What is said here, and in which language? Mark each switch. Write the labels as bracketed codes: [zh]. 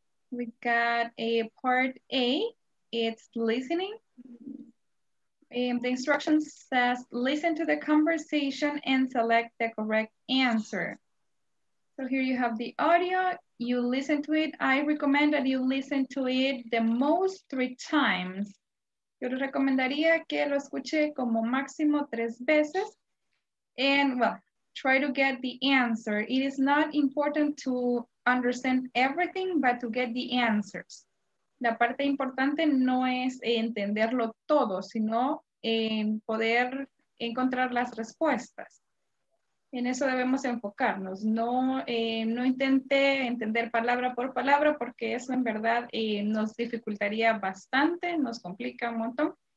[en] We got a part A, it's listening. And the instruction says, listen to the conversation and select the correct answer. So here you have the audio. You listen to it. I recommend that you listen to it the most 3 times. [es] Yo le recomendaría que lo escuche como máximo 3 veces. [en] And well, try to get the answer. It is not important to understand everything, but to get the answers. [es] La parte importante no es entenderlo todo, sino en poder encontrar las respuestas. En eso debemos enfocarnos. No, no intente entender palabra, porque eso en verdad nos dificultaría bastante, nos complica un montón.